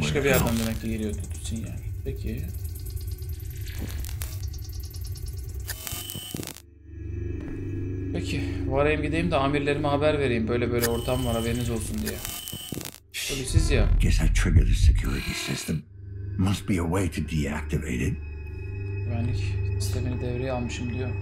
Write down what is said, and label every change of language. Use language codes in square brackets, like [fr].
[tr] Başka bir yerden demek ki geliyordu için yani. Peki. Peki. Varayım gideyim de amirlerime haber vereyim. Böyle böyle ortam var, haberiniz olsun diye. Polisiz ya. [en] Guess I triggered the security system. Must be a way to deactivate it. [tr] Güvenlik sistemini devreye almışım diyor.